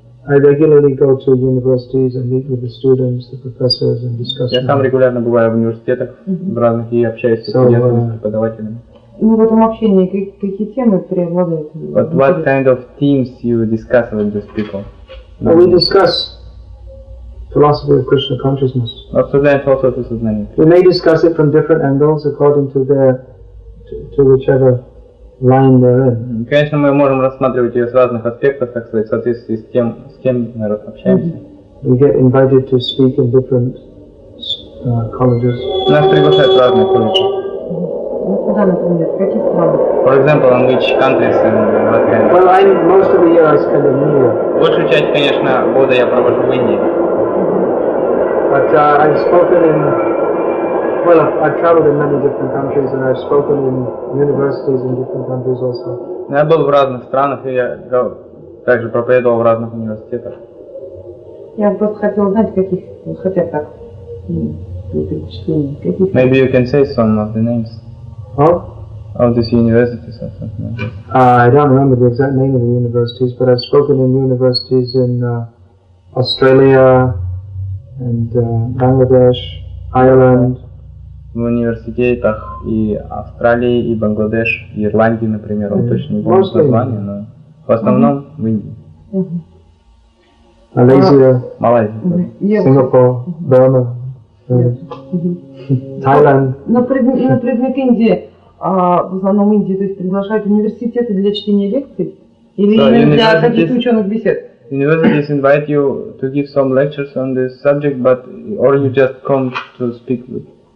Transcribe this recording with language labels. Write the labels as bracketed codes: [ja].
[en] I regularly go to universities and meet with the students, the professors, and discuss. [ru] Я сам регулярно бываю в университетах в разных и общаюсь с студентами, с преподавателями. Ну, в этом общении какие темы преобладают? [en] But what kind of themes you discuss with these people? Well, we discuss philosophy of Krishna consciousness. We may discuss it from different angles according to their to whichever line they're in. [ru] Конечно, мы можем рассматривать ее с разных аспектов, так сказать, в соответствии с тем, с кем мы общаемся. [en] We get invited to speak in different colleges. [ru] Нас приглашают в разные колледжи. [en] For example, in which countries and what kind of... Well, I most of the year I spend in India. [ru] Большую часть, конечно, года я провожу в Индии. [en] But I've spoken in... Well, I've traveled in many different countries and I've spoken in universities in different countries also. [ru] Я был в разных странах и я также проповедовал в разных университетах. Я просто хотел узнать, каких... Хотя так... Каких... [en] Maybe you can say some of the names. Huh? Of these universities or something like that. I don't remember the exact name of the universities, but I've spoken in universities in Australia and Bangladesh, Ireland. [ru] В университетах и Австралии, и Бангладеш, и Ирландии, например, он точно не помнит название, но в основном в Индии. Малайзия. Малайзия. Сингапур. Бирма. Таиланд. На предмет Индии. А в основном Индии, то есть приглашают университеты для чтения лекций или для каких-то ученых бесед? [en] Universities invite you to give some lectures on this subject, but or you just come to speak with?